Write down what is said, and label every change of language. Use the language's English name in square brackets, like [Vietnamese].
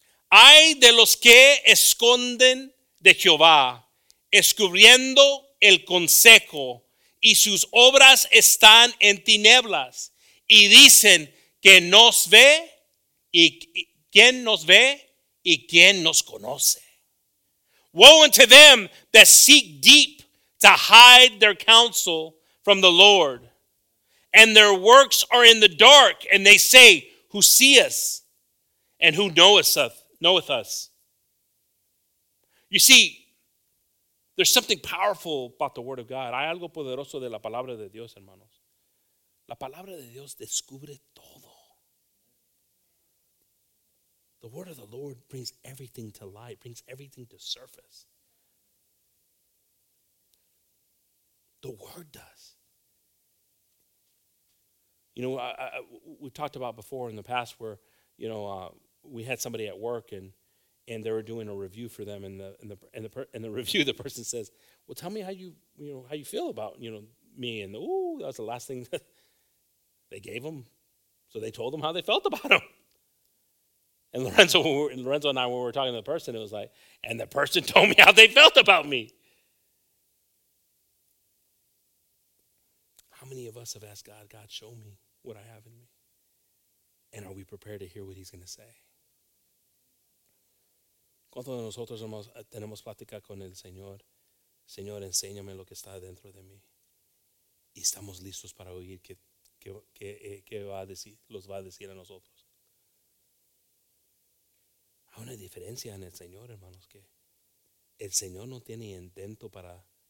[Spanish] Ay de los que esconden de Jehová, descubriendo el consejo, y sus obras están en tinieblas, y dicen que nos ve, y quién nos ve, y quién nos conoce. [English] Woe unto them that seek deep to hide their counsel from the Lord, and their works are in the dark, and they say, who seeth us, and who knoweth us? You see, there's something powerful about the word of God. [Spanish] Hay algo poderoso de la palabra de Dios, hermanos. La palabra de Dios descubre todo. [English] The word of the Lord brings everything to light, brings everything to surface. The word does. You know, we talked about before in the past where, we had somebody at work and they were doing a review for them, and the review, the person says, "Well, tell me how you feel about me." And that was the last thing that they gave them, so they told them how they felt about them. And Lorenzo and I, when we were talking to the person, it was like, and the person told me how they felt about me. How many of us have asked God, "God, show me what I have in me," and are we prepared to hear what He's going to say? [Spanish] ¿Cuántos de nosotros tenemos plática con el Señor? Señor, enséñame lo que está dentro de mí. Y estamos listos para oír qué va a decir a nosotros. Hay una diferencia en el Señor, hermanos, que el Señor no tiene intento para